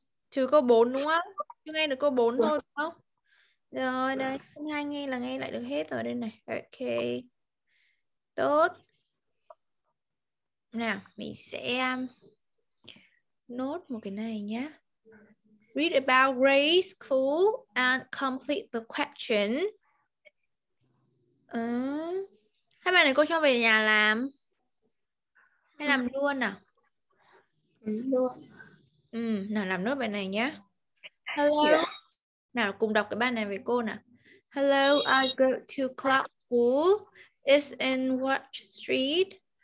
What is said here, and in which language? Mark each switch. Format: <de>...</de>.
<vi>Trừ câu 4 đúng không? Chưa nghe được câu 4 thôi đúng không? Rồi đây, hai nghe là nghe lại được hết rồi đây này. Ok. Tốt. Nào, mình sẽ nốt một cái này nhé.</vi> <en>Read about Grace cool and complete the question.</en> <vi>Hai bạn này cô cho về nhà làm. Hay làm luôn nào? Luôn. Nào làm nốt bài này nhé. Hello. Nào cùng đọc cái bài này với cô nào.</vi> <en>Hello, I go to Clark School. It's in Watch Street.</en>